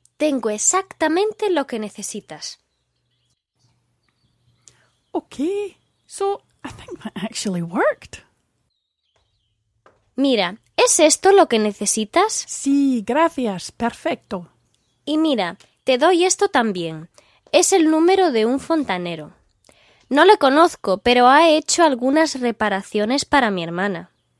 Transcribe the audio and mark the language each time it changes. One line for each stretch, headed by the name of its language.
Spanish: Tengo exactamente lo que necesitas.
English: Ok, so I think that actually worked.
Spanish: Mira, ¿es esto lo que necesitas? Sí, gracias, perfecto. Y mira, te doy esto también. Es el número de un fontanero. No le conozco, pero ha hecho algunas reparaciones para mi hermana.